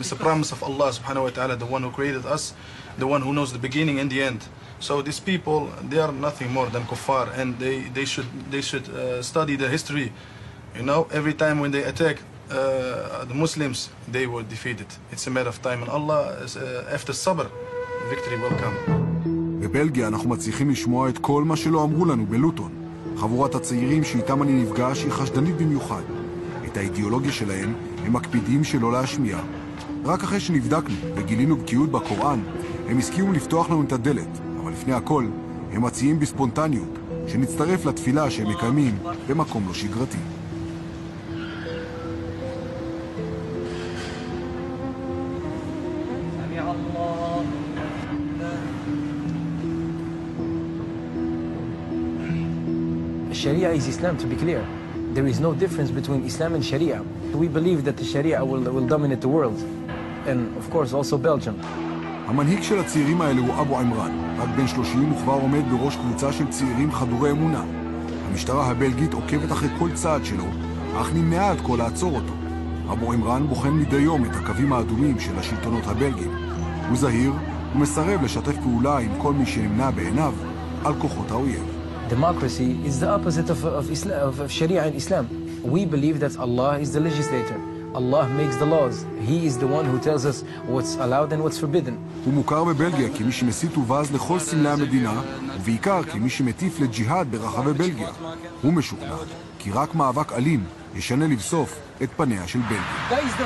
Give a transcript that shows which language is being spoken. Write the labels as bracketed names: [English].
[English] It's a promise of Allah [Arabic] subhanahu wa ta'ala, [English] the one who created us, the one who knows the beginning and the end. So these people, they are nothing more than kuffar, and they should study the history. You know, every time when they attack the Muslims, they were defeated. It's a matter of time, and Allah, after sabr, victory will come. [Hebrew] בבלגיה אנחנו מצליחים לשמוע את כל מה שלא אמרו לנו בלוטון. חבורת הצעירים שאיתם אני נפגש היא חשדנית במיוחד. את האידיאולוגיה שלהם הם מקפידים שלא להשמיע. רק אחרי שנבדקנו וגילינו בקיאות בקוראן, הם הסכימו לפתוח לנו את הדלת. אבל לפני הכל, הם מציעים בספונטניות שנצטרף לתפילה שהם מקיימים במקום לא שגרתי. [English] Sharia is Islam, to be clear. There is no difference between Islam and Sharia. We believe that the Sharia will dominate the world. And of course, also Belgium. [Hebrew] המנהיג של הצעירים האלה הוא אבו עמרן, רק בן 30 וכבר עומד בראש קבוצה של צעירים חדורי אמונה. המשטרה הבלגית עוקבת אחרי כל צעד שלו, אך נמנעה עד כה לעצור אותו. אבו עמרן בוחן מדי יום את הקווים האדומים של השלטונות הבלגיים. הוא זהיר ומסרב לשתף פעולה עם כל מי שנמנע בעיניו על כוחות האויב. [English] Democracy is the opposite of Sharia and Islam. We believe that Allah is the legislator. Allah makes the laws. He is the one who tells us what's allowed and what's forbidden. [Hebrew] הוא מוכר בבלגיה כמי שמסית ובז לכל סמלי המדינה, ובעיקר כמי שמטיף לג'יהאד ברחבי בלגיה. הוא משוכנע כי רק מאבק אלים ישנה לבסוף את פניה של בלגיה.